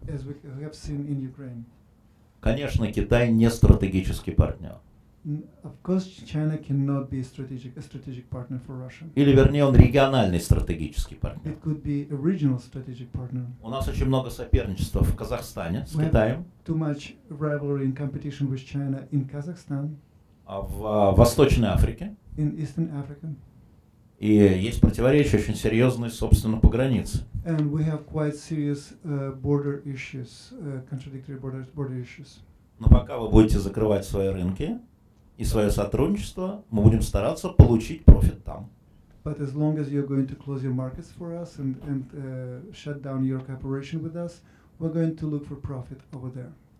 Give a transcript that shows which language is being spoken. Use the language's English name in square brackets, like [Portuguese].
[English] As we have seen in Ukraine. [Russian] Конечно, Китай не стратегический партнер. [English] Of course, China cannot be a strategic partner for Russia. [Russian] Или, вернее, он региональный стратегический партнер. [English] It could be a regional strategic partner. [Russian] У нас очень много соперничества в Казахстане с Китаем. [English] Too much rivalry and competition with China in Kazakhstan. [Russian] А в Восточной Африке. [English] In Eastern Africa. [Russian] И есть противоречия очень серьезные, собственно, по границе. [English] And we have quite serious border issues, contradictory border issues. [Russian] Но пока вы будете закрывать свои рынки и свое сотрудничество, мы будем стараться получить профит там. [English] But as long as you're going to close your markets for us and shut down your cooperation with us, we're going to look for profit over there.